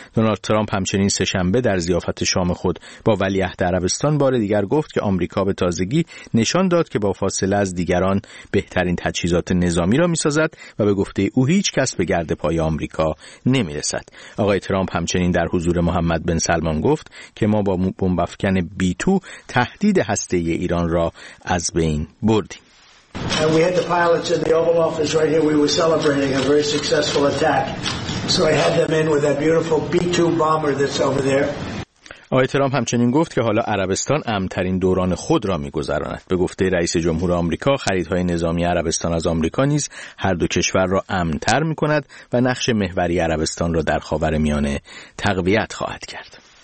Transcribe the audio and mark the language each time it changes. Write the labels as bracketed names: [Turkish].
[Persian] دونالد ترامپ همچنین سه‌شنبه در ضیافت شام خود با ولیعهد عربستان بار دیگر گفت که آمریکا به تازگی نشان داد که با فاصله از دیگران بهترین تجهیزات نظامی را می‌سازد و به گفته او هیچ کس به گرد پای آمریکا نمی‌رسد. آقای ترامپ همچنین در حضور محمد بن سلمان گفت که ما با بمب افکن B2 تهدید هسته‌ای ایران را از بین بردیم. [English] We had the pilots in the Oval Office right here. We were celebrating a very successful attack. So I had them in with that beautiful B2 bomber that's over there. [Persian] آقای ترامپ همچنین گفت که حالا عربستان امن‌ترین دوران خود را می‌گذراند. به گفته رئیس جمهور آمریکا، خریدهای نظامی عربستان از آمریکا نیز هر دو کشور را امن‌تر می‌کند و نقش محوری عربستان را در خاورمیانه تقویت خواهد کرد.